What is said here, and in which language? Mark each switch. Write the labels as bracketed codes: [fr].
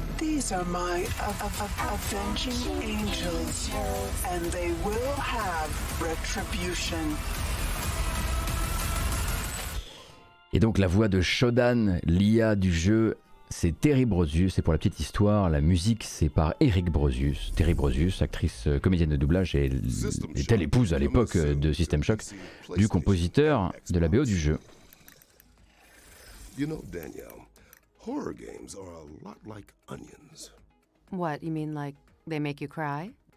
[en] These are my avenging angels, and they will have retribution. [fr] Et donc la voix de Shodan, l'IA du jeu, c'est Terry Brosius. Et pour la petite histoire, la musique, c'est par Eric Brosius. Terry Brosius, actrice comédienne de doublage et telle épouse à l'époque de System Shock, du compositeur de la BO du jeu. [en] You know, Danielle, horror games are a lot like onions. What, you mean like they make you cry?